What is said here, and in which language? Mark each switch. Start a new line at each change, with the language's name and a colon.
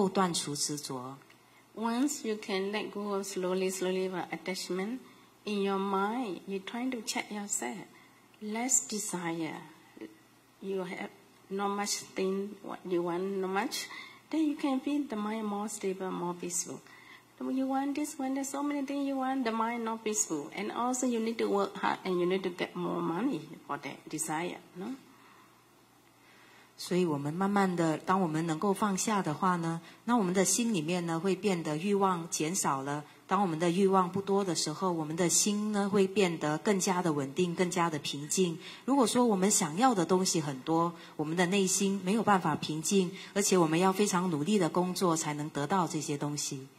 Chinese: 所以呢，我们也不要升起太多的贪，太多的欲望。当我们的欲望太多的时候，我们可以做这样的一个思维，想说有一天我也必须要死。那我死后呢，我也必须要放下我的家人、我的身体和我的财产。那我没有办法带着走。那为什么我现在还要执着呢？当我们做这样的一个思维的话，我们就能够断除执着。Once
English: you can let go of slowly of attachment in your mind, you trying to check yourself. Less desire, you have not much thing what you want, not much, then you can feel the mind more stable, more peaceful. You want this, when there's so many things you want, the mind not peaceful. And also you need to work hard and you need to get more money for that desire, no?
Chinese: 所以我们慢慢的，当我们能够放下的话呢， 那我们的心里面呢， 会变得欲望减少了。当我们的欲望不多的时候， 我们的心呢， 会变得更加的稳定， 更加的平静。如果说我们想要的东西很多， 我们的内心没有办法平静， 而且我们要非常努力的工作， 才能得到这些东西。